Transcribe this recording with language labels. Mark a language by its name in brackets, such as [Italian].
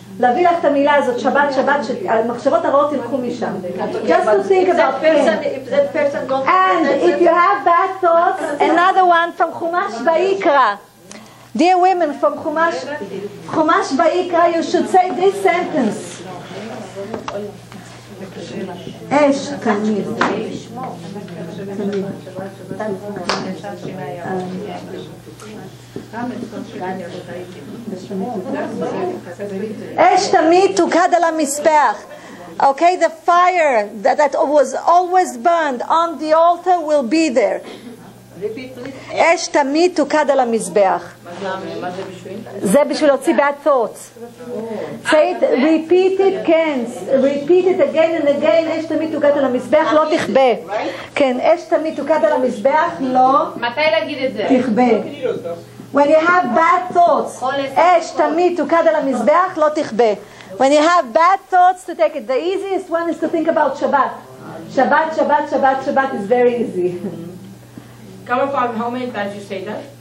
[Hebrew] להביא לך את המילה הזאת, שבת, שבת, המחשבות הרעות ילכו משם. [English] Just to think about it. And if you have bad thoughts, another one from Chumash Vayikra. Dear women, from Chumash Vayikra, you should say this sentence. [Hebrew] אש תמיד אש תמיד תוקד על המספח. [English] Okay, the fire that was always burned on the altar will be there. [Hebrew] אש תמיד תוקד על המזבח. זה בשביל להוציא bad thoughts. [English] Say it, repeat it, כן. Repeat it again and again. [Hebrew] אש תמיד תוקד על המזבח, לא תכבה. כן, אש תמיד תוקד על המזבח, לא. מתי להגיד את זה? תכבה. [English] When you have bad thoughts, אש תמיד תוקד על המזבח, לא תכבה. When you have bad thoughts, to take it. The easiest one is to think about Shabbat. Shabbat is very easy. How many times you say that?